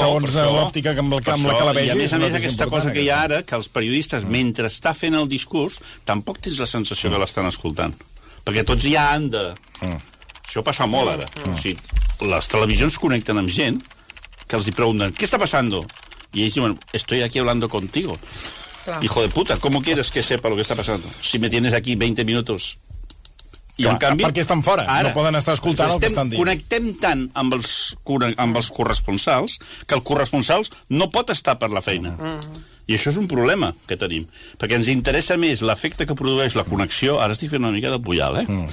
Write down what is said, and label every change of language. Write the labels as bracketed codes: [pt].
[ca] segons l'òptica amb la que la veia... I a més aquesta cosa que hi ha ara, que els periodistes, mentre està fent el discurs, tampoc tens la sensació que l'estan escoltant. Perquè tots ja han de... Això passa molt ara. O sigui, les televisions connecten amb gent que els hi pregunten, què està passant? [es] Y ellos dicen, estoy aquí hablando contigo. Claro. Hijo de puta, ¿cómo quieres que sepa lo que está pasando? Si me tienes aquí 20 minutos... [ca] I en canvi, perquè estan fora, ara, no poden estar escoltant el que estan dient. Connectem tant amb els corresponsals que el corresponsals no pot estar per la feina. I això és un problema que tenim. Perquè ens interessa més l'efecte que produeix la connexió... Ara estic fent una mica de pujal, eh?